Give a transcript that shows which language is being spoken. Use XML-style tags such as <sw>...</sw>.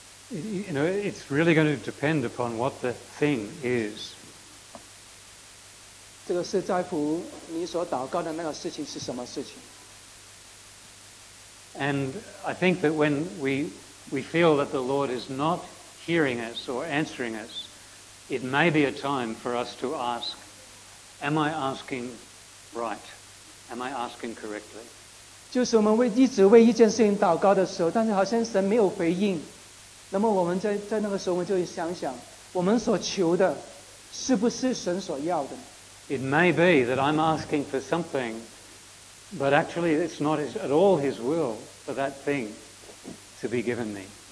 <en>You know, it's really going to depend upon what the thing is.</en> <zh>这个是在乎你所祷告的那个事情是什么事情。</zh> <en>And I think that when we feel that the Lord is not hearing us or answering us, it may be a time for us to ask, am I asking right? Am I asking correctly?</en> <zh>就是我们一直为一件事情祷告的时候，但是好像神没有回应。那么我们在那个时候我们就想想我们所求的是不是神所要的。</zh> <en>It may be that I'm asking for something, but actually it's not at all His will for that thing to be given me.</en>